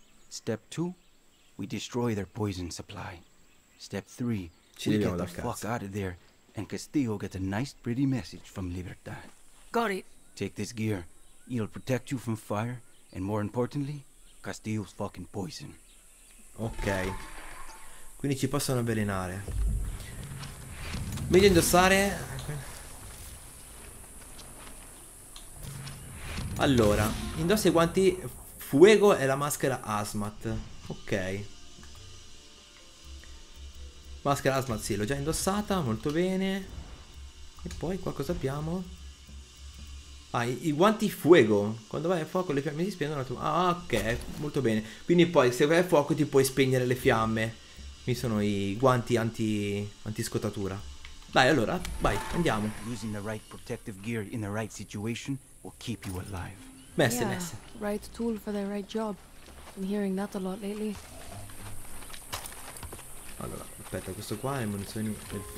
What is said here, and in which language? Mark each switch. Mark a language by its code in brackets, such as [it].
[en] Step two, we destroy their poison supply. Step three, [it] ci [en] we get the fuck out of there, and Castillo gets a nice pretty message from Libertad. Got it. Take this gear. It'll protect you from fire, and more importantly, Castillo's fucking poison. Okay. [it] Quindi ci possono avvelenare. Meglio indossare. Allora, indossa i guanti Fuego e la maschera Hazmat. Ok. Maschera Hazmat, sì, l'ho già indossata, molto bene. E poi qua cosa abbiamo? Ah, i guanti fuego. Quando vai a fuoco le fiamme si spengono. Ah, ok, molto bene. Quindi poi se vai a fuoco ti puoi spegnere le fiamme. Mi sono i guanti anti-scottatura. Dai, allora, vai, andiamo. [en] Using the right protective gear in the right situation will keep you alive. Messe, yeah, messe. Right tool for the right job. Been hearing that a lot lately. [it] Allora, aspetta, questo qua è munizioni per fare.